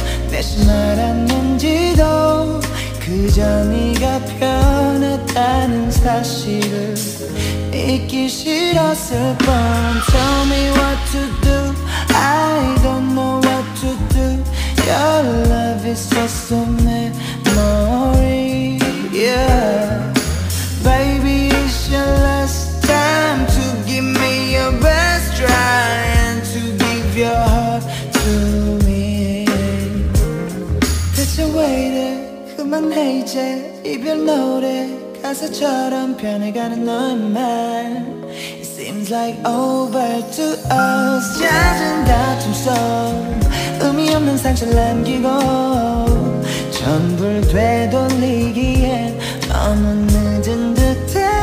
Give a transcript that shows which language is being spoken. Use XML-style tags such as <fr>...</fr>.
<ko>대신 알았는지도 그저 네가 변했다는 사실을 잊기 싫었을 뻔.</ko> <en>Tell me what to do. I don't know what to do. Your love is just a memory. Yeah. Baby, it's your last time to give me your best try and to give your heart to me.</en> <ko>대체 왜 이래 그만해 이제 이별 노래 가사처럼 변해가는 너의 말.</ko> <en>It seems like over to us.</en> <ko>잦은 다툼 속 의미 없는 상처 남기고 전부를 되돌리기엔 너무 늦은 듯해.</ko>